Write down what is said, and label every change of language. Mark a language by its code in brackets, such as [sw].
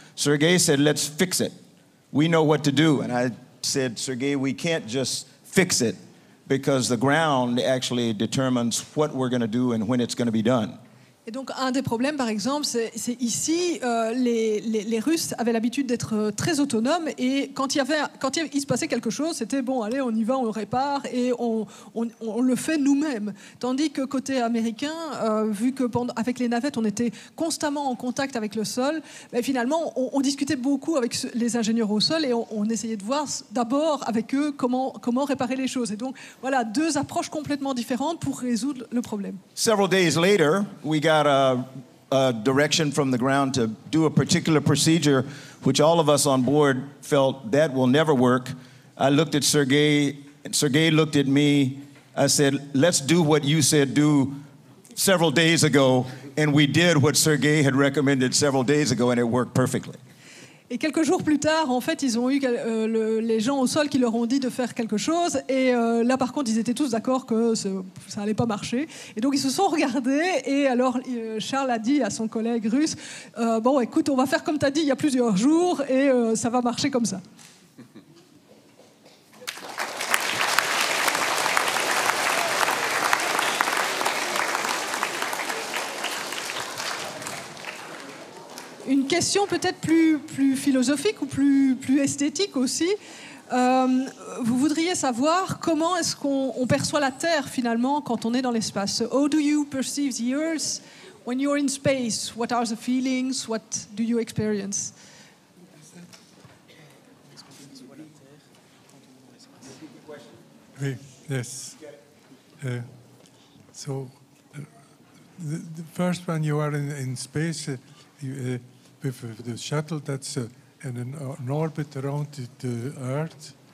[en] Sergei said, let's fix it. We know what to do. And I said, Sergei, we can't just fix it because the ground actually determines what we're going to do and when it's going to be done. [fr] Et donc, un des problèmes, par exemple, c'est ici, les Russes avaient l'habitude d'être très autonomes. Et quand il se passait quelque chose, c'était bon, allez, on y va, on le répare et on le fait nous-mêmes. Tandis que côté américain, vu qu'avec les navettes, on était constamment en contact avec le sol, ben, finalement, on discutait beaucoup avec les ingénieurs au sol et on essayait de voir d'abord avec eux comment réparer les choses. Et donc, voilà, deux approches complètement différentes pour résoudre le problème. [en] Several days later, we got a direction from the ground to do a particular procedure, which all of us on board felt that will never work. I looked at Sergei, and Sergei looked at me. I said, let's do what you said do several days ago. And we did what Sergei had recommended several days ago, and it worked perfectly. [fr] Et quelques jours plus tard, en fait, ils ont eu les gens au sol qui leur ont dit de faire quelque chose. Et là, par contre, ils étaient tous d'accord que ça n'allait pas marcher. Et donc, ils se sont regardés. Et alors, Charles a dit à son collègue russe, « Bon, écoute, on va faire comme tu as dit il y a plusieurs jours et ça va marcher comme ça. » Une question peut-être plus philosophique ou plus esthétique aussi. Vous voudriez savoir comment est-ce qu'on perçoit la Terre finalement quand on est dans l'espace. [en] So, how do you perceive the Earth when you're in space? What are the feelings? What do you experience? [fr] Oui, yes. [en] The first when you are in space, with the shuttle that's in an orbit around the Earth.